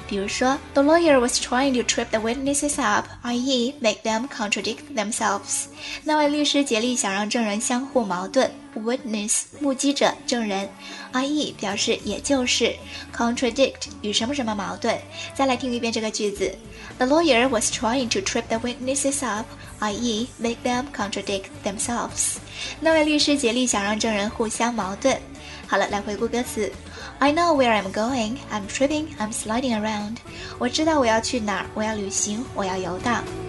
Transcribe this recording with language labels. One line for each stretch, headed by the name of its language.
Chinese: 比如说
English: The lawyer was trying to trip the witnesses up, i.e. make them contradict themselves.
Chinese: 那位律师竭力想让证人相互矛盾。 Witness, 目击者、证人 i.e. 表示也就是 contradict, 与什么什么矛盾。再来听一遍这个句子。
English: The lawyer was trying to trip the witnesses up, i.e. make them contradict themselves.
Chinese: 那位律师竭力想让证人互相矛盾。好了，来回顾歌词。
English: I know where I'm going, I'm tripping, I'm sliding around.
Chinese: 我知道我要去哪儿，我要旅行，我要游荡。